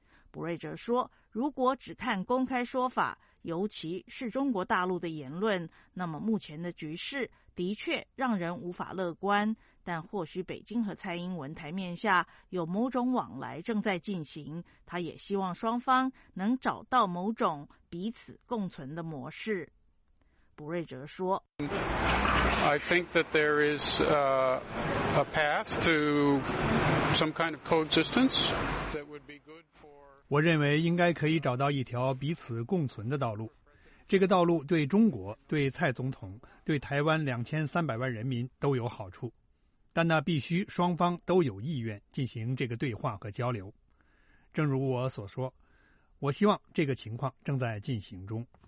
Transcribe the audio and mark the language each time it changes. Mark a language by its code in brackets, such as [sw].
[zh] 卜瑞哲说，如果只看公开说法，尤其是中国大陆的言论，那么目前的局势的确让人无法乐观，但或许北京和蔡英文台面下有某种往来正在进行，他也希望双方能找到某种彼此共存的模式。卜瑞哲说， [en] I think that there is a path to some kind of coexistence that would be good for... [zh] 我认为应该可以找到一条彼此共存的道路，这个道路对中国、对蔡总统、对台湾2300万人民都有好处，但那必须双方都有意愿进行这个对话和交流。正如我所说，我希望这个情况正在进行中。